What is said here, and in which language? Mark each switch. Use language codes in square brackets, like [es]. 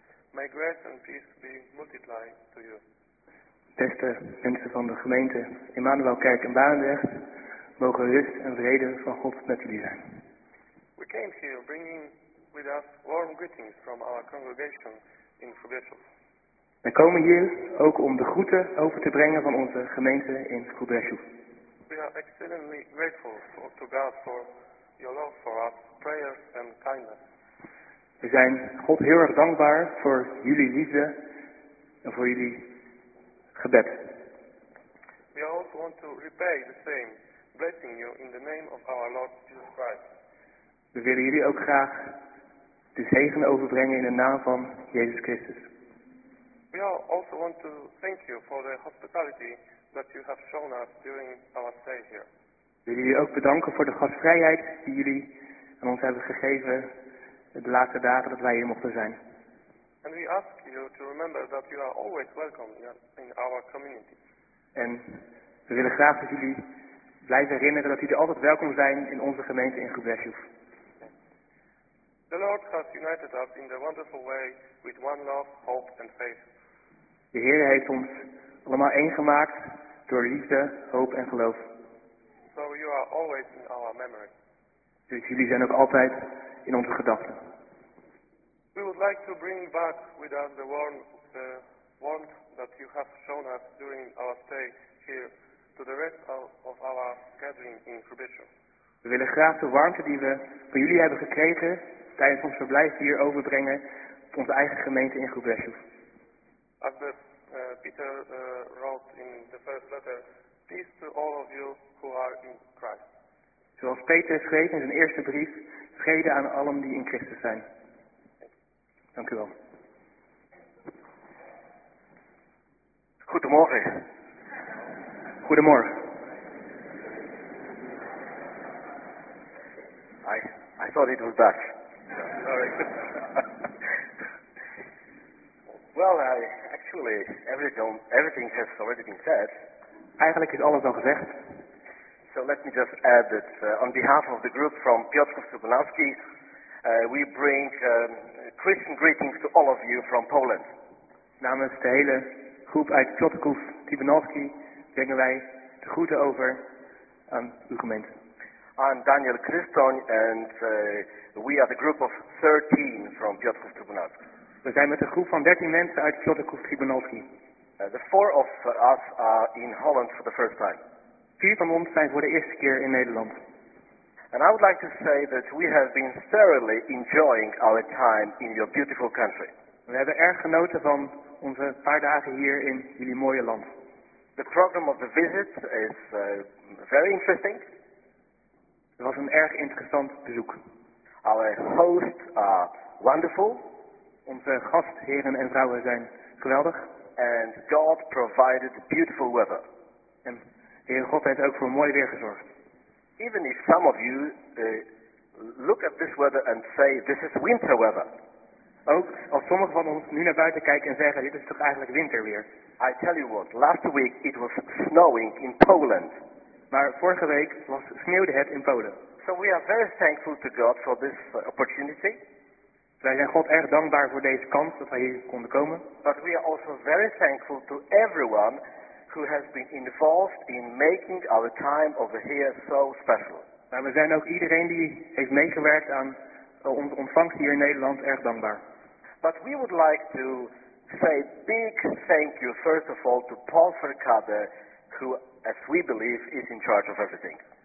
[en] May grace and peace be multiplied to you. [nl] Beste mensen van de gemeente Emmanuel Kerk in Bayern, mogen rust en vrede van God met jullie zijn. [en] We came here bringing with us warm greetings from our congregation in Gubrzeszów. [nl] We komen hier ook om de groeten over te brengen van onze gemeente in Gubrzeszów. [en] We are exceedingly grateful to God for your love for us. Prayers and kindness. [nl] We zijn God heel erg dankbaar voor jullie liefde en voor jullie gebed. [en] We also want to repay the same, blessing you in the name of our Lord Jesus Christ. [nl] We willen jullie ook graag de zegen overbrengen in de naam van Jezus Christus. [en] We also want to thank you for the hospitality that you have shown us during our stay here. [nl] We willen jullie ook bedanken voor de gastvrijheid die jullie en ons hebben gegeven de laatste dagen dat wij hier mochten zijn. [en] And we ask you to remember that you are always welcome in our community. [nl] En we willen graag dat jullie blijven herinneren dat jullie altijd welkom zijn in onze gemeente in Gubrzeszów. [en] The Lord has united us in the wonderful way with one love, hope and faith. [nl] De Heer heeft ons allemaal één gemaakt door liefde, hoop en geloof. [en] So you are always in our memory. [nl] Dus jullie zijn ook altijd in onze gedachten. [en] We would like to bring back with us the warmth that you have shown us during our stay here to the rest of our gathering in Gubrzeszów. [nl] We willen graag de warmte die we van jullie hebben gekregen tijdens ons verblijf hier overbrengen op onze eigen gemeente in Gubrzeszów. [en] As Peter wrote in the first letter, peace to all of you who are in Christ. [nl] Zoals Peter schreef in zijn eerste brief, vrede aan allen die in Christus zijn. Dank u wel. Goedemorgen. Goedemorgen. [en] I thought it was Dutch. Sorry. Well, everything has already been said. [nl] Eigenlijk is alles al gezegd. [en] So let me just add that on behalf of the group from Piotrków-Libanowski, we bring Christian greetings to all of you from Poland. [nl] Namens de hele groep uit Piotrków-Libanowski brengen wij de groeten over aan uw gemeente. [en] I'm Daniel Kryston and we are the group of 13 from Piotrków-Libanowski. [nl] We zijn met een groep van 13 mensen uit Piotrków-Libanowski. [en] The four of us are in Holland for the first time. [nl] Vier van ons zijn voor de eerste keer in Nederland. [en] And I would like to say that we have been thoroughly enjoying our time in your beautiful country. [nl] We hebben erg genoten van onze paar dagen hier in jullie mooie land. [en] The program of the visit is very interesting. [nl] Het was een erg interessant bezoek. [en] Our hosts are wonderful. [nl] Onze gastheren en vrouwen zijn geweldig. [en] And God provided beautiful weather. [nl] En Heer God heeft ook voor mooi weer gezorgd. [en] Even if some of you look at this weather and say this is winter weather. [nl] Ook als sommigen van ons nu naar buiten kijken en zeggen dit is toch eigenlijk winterweer. [en] I tell you what, last week it was snowing in Poland. [nl] Maar vorige week sneeuwde het in Polen. [en] So we are very thankful to God for this opportunity. [nl] Wij zijn God erg dankbaar voor deze kans dat wij hier konden komen. [en] But we are also very thankful to everyone who has been involved in making our time over here so special. [nl] Maar we zijn ook iedereen die heeft meegewerkt aan onze ontvangst hier in Nederland erg dankbaar. [en] But we would like to say big thank you first of all to Paul Verkade, who, as we believe, is in charge of everything.